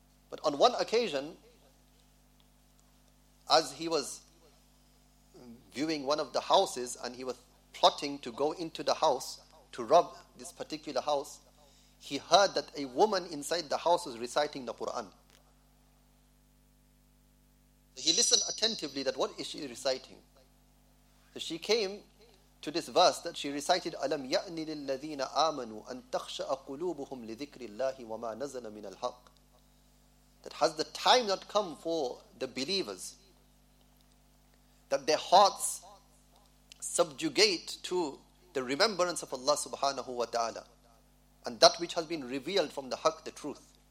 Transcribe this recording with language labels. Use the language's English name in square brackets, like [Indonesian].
[English] But on one occasion, as he was viewing one of the houses and he was plotting to go into the house to rob this particular house, he heard that a woman inside the house was reciting the Quran. He listened attentively that what is she reciting? So she came to this verse that she recited, [Arabic] أَلَمْ يَأْنِ لِلَّذِينَ آمَنُوا أَن تَخْشَأَ قُلُوبُهُمْ لِذِكْرِ اللَّهِ وَمَا نَزَلَ مِنَ الْحَقِّ. [English] That has the time not come for the believers that their hearts subjugate to the remembrance of Allah subhanahu wa ta'ala and that which has been revealed from the haq, the truth.